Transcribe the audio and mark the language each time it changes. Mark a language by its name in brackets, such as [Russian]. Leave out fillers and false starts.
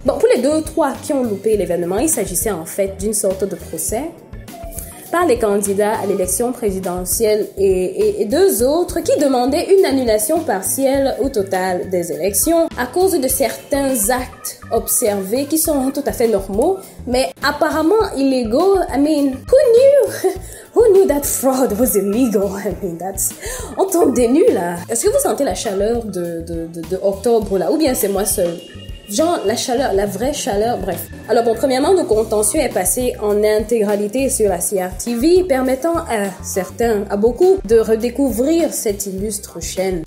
[French] Bon, pour les deux ou trois qui ont loupé l'événement, il s'agissait en fait d'une sorte de procès par les candidats à l'élection présidentielle et deux autres qui demandaient une annulation partielle ou totale des élections à cause de certains actes observés qui sont tout à fait normaux, mais apparemment illégaux. [English] I mean, who knew that fraud was illegal? I mean, that's... [French] On tombe des nues, là. Est-ce que vous sentez la chaleur de octobre, là? Ou bien c'est moi seule? Genre, la chaleur, la vraie chaleur, bref. Alors bon, premièrement, le contentieux est passé en intégralité sur la CRTV, permettant à certains, à beaucoup, de redécouvrir cette illustre chaîne.